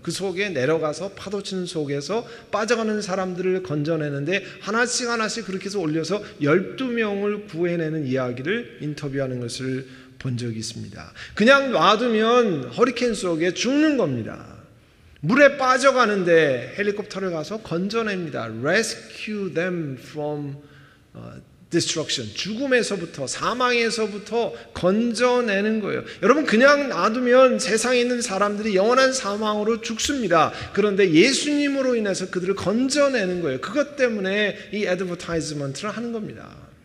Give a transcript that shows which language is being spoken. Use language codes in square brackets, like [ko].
[ko] 그 속에 내려가서 파도치는 속에서 빠져가는 사람들을 건져내는데 하나씩 하나씩 그렇게 해서 올려서 12명을 구해내는 이야기를 인터뷰하는 것을 본 적이 있습니다. 그냥 놔두면 허리케인 속에 죽는 겁니다. 물에 빠져가는데 헬리콥터를 가서 건져냅니다. [en] Rescue them from destruction. [ko] 죽음에서부터 사망에서부터 건져내는 거예요. 여러분 그냥 놔두면 세상에 있는 사람들이 영원한 사망으로 죽습니다. 그런데 예수님으로 인해서 그들을 건져내는 거예요. 그것 때문에 이 advertisement를 하는 겁니다.